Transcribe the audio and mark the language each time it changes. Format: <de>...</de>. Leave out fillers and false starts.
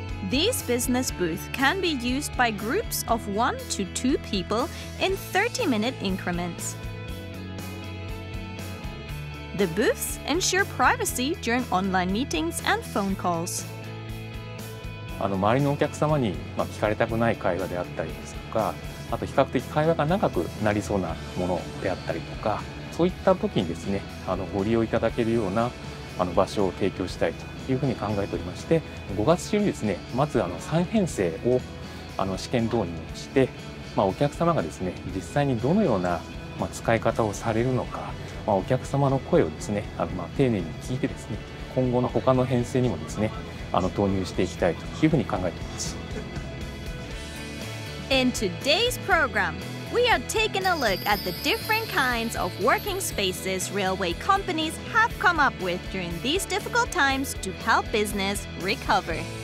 <en>These business booths can be used by groups of 1 to 2 people in 30-minute increments. The booths ensure privacy during online meetings and phone calls.</en> <ja>周りのお客様に聞かれたくない会話であったりですとか、あと比較的会話が長くなりそうなものであったりとか、そういった時にですね、ご利用いただけるような場所を提供したいというふうに考えておりまして、5月中にですね、まず3編成を試験導入して、お客様がですね、実際にどのような使い方をされるのか、お客様の声をですね、丁寧に聞いてですね、今後の他の編成にもですね、導入していきたいというふうに考えております。</ja> <en>In today's program, we are taking a look at the different kinds of working spaces railway companies have come up with during these difficult times to help business recover.</en>